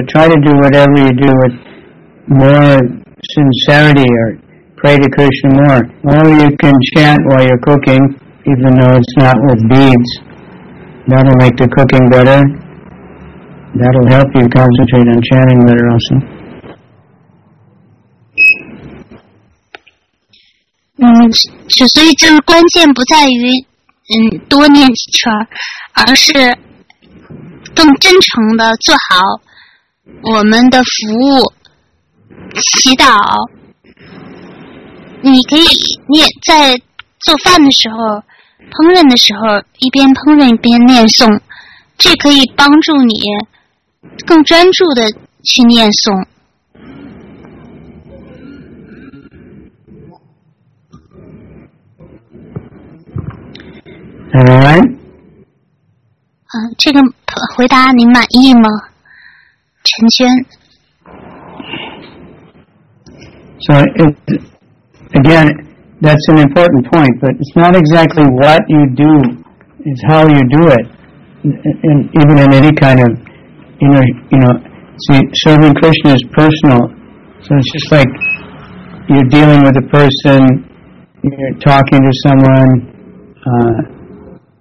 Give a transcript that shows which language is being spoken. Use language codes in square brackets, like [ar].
[en] Try to do whatever you do with more sincerity or pray to Krishna more. Or you can chant while you're cooking, even though it's not with beads. That'll make the cooking better. That'll help you concentrate on chanting better also. [zh] 所以就是关键不在于多念几圈，而是更真诚的做好我们的服务祈祷。你可以念在做饭的时候、烹饪的时候，一边烹饪一边念诵，这可以帮助你更专注的去念诵。这个回答您满意吗，陈娟 [en] ？So again, that's an important point, but it's not exactly what you do; it's how you do it. And even in any kind of See, serving Krishna is personal. So it's just like you're dealing with a person, you're talking to someone.